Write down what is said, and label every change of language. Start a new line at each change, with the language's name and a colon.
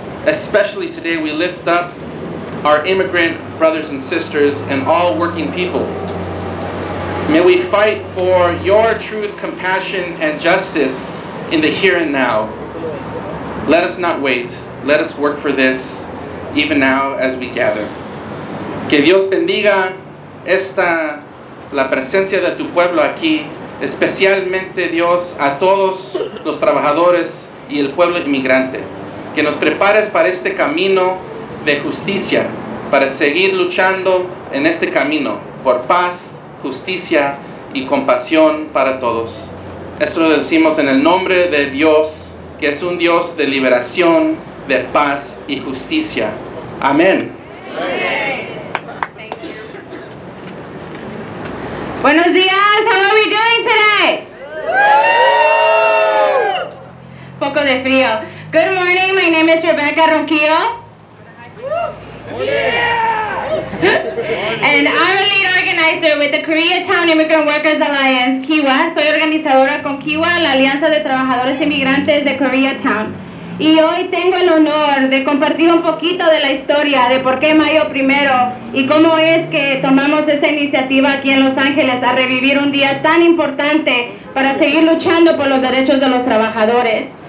English: Especially today, we lift up our immigrant brothers and sisters and all working people. May we fight for your truth, compassion, and justice in the here and now. Let us not wait. Let us work for this, even now as we gather.
Spanish: Que Dios bendiga esta la presencia de tu pueblo aquí, especialmente Dios a todos los trabajadores y el pueblo inmigrante. Que nos prepares para este camino de justicia, para seguir luchando en este camino por paz, justicia y compasión para todos. Esto lo decimos en el nombre de Dios, que es un Dios de liberación, de paz y justicia. Amén. Buenos días.
English: How are we doing today?
Spanish: Poco de frío.
English: Good morning. My name is Rebecca Ronquillo. And I'm a lead organizer with the Koreatown Immigrant Workers Alliance, KIWA.
Spanish: Soy organizadora con KIWA, la Alianza de Trabajadores Inmigrantes de Koreatown. Y hoy tengo el honor de compartir un poquito de la historia de por qué mayo primero y cómo es que tomamos esta iniciativa aquí en Los Ángeles a revivir un día tan importante para seguir luchando por los derechos de los trabajadores.